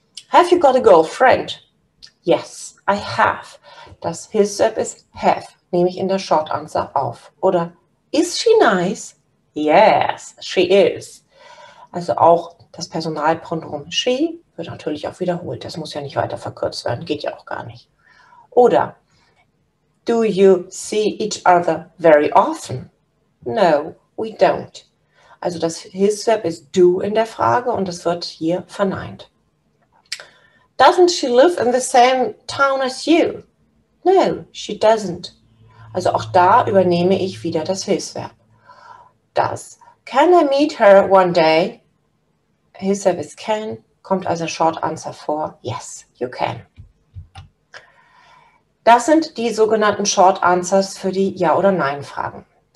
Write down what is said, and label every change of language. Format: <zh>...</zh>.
<en>Have you got a girlfriend? Yes, I have.</en> <de>Das Hilfsverb ist have, nehme ich in der Short Answer auf.</de> <en>Oder is she nice? Yes, she is.</en> <de>Also auch das Personalpronomen she wird natürlich auch wiederholt. Das muss ja nicht weiter verkürzt werden, geht ja auch gar nicht.</de> <en>Oder do you see each other very often? No, we don't.</en> <de>Also das Hilfsverb ist do in der Frage und es wird hier verneint.</de> <en>Doesn't she live in the same town as you? No, she doesn't.</en> <de>Also auch da übernehme ich wieder das Hilfsverb. Das.</de> <en>Can I meet her one day?</en> <de>Hilfsverb ist can, kommt also Short Answer vor.</de> <en>Yes, you can.</en> <de>Das sind die sogenannten Short Answers für die Ja- oder Nein-Fragen.</de>